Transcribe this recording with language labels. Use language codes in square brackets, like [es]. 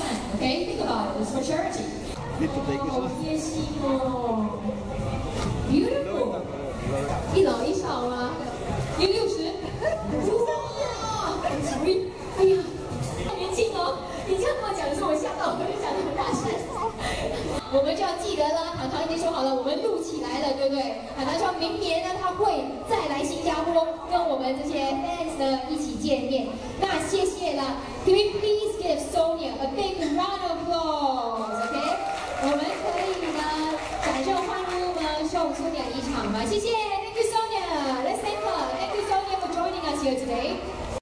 [zh] 没有钱，做慈善 [en] ，OK， think about it， it's for charity。 [zh] 好贴心哦 ，beautiful， 一老一少吗？你60，哇，哎呀，太年轻了，你这样跟我讲的时候，我吓到，我就讲得很大声。我们就要记得了，糖糖已经说好了，我们录起来了，对不对？糖糖说明年呢，他会再来新加坡，跟我们这些 fans 呢一起见面。那谢谢了 [en] ，Can we please give Sonia a big round of applause? [zh] OK， 我们可以呢，掌声欢迎我们送 Sonia 一场吗？谢谢 [en] ，Thank you Sonia， Let's thank her，Thank you Sonia for joining us here today。